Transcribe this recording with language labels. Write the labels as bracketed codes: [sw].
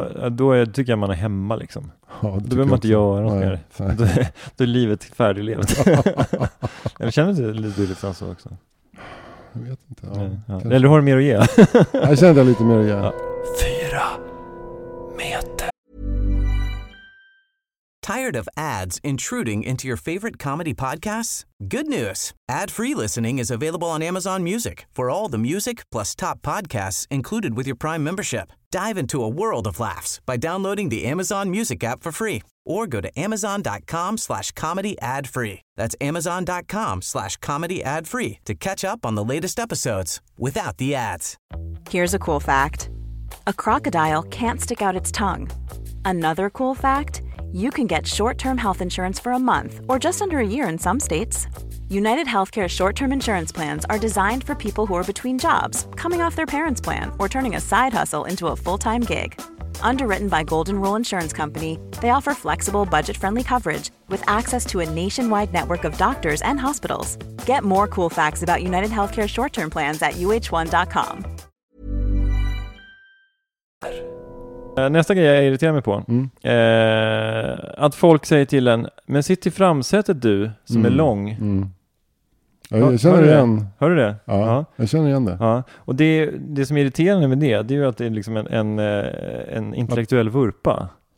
[sv] Då tycker jag man är hemma liksom. Ja, då behöver man inte göra något mer. Då är livet färdiglevt. Jag känner det lite dyrligt så också. Jag vet inte. Ja, ja. Eller har du mer att ge? Jag känner det lite mer att ge. Ja. 4 meter. [en] Tired of ads intruding into your favorite comedy podcasts? Good news. Ad-free listening is available on Amazon Music for all the music plus top podcasts included with your Prime membership. Dive into a world of laughs by downloading the Amazon Music app for free or go to amazon.com/comedyadfree. That's amazon.com/comedyadfree to catch up on the latest episodes without the ads. Here's a cool fact. A crocodile can't stick out its tongue. Another cool fact. You can get short-term health insurance for a month or just under a year in some states. UnitedHealthcare short-term insurance plans are designed for people who are between jobs, coming off their parents' plan, or turning a side hustle into a full-time gig. Underwritten by Golden Rule Insurance Company, they offer flexible, budget-friendly coverage with access to a nationwide network of doctors and hospitals. Get more cool facts about UnitedHealthcare short-term plans at uh1.com. [sv] Nästa grej jag irriterar mig på. Mm. Att folk säger till en, men sitt i framsätet du som är lång. Mm. Jag känner hör igen. Det? Hör du det? Ja, ja, jag känner igen det. Ja. Och det som irriterar mig med det är ju att det är liksom en intellektuell vurpa.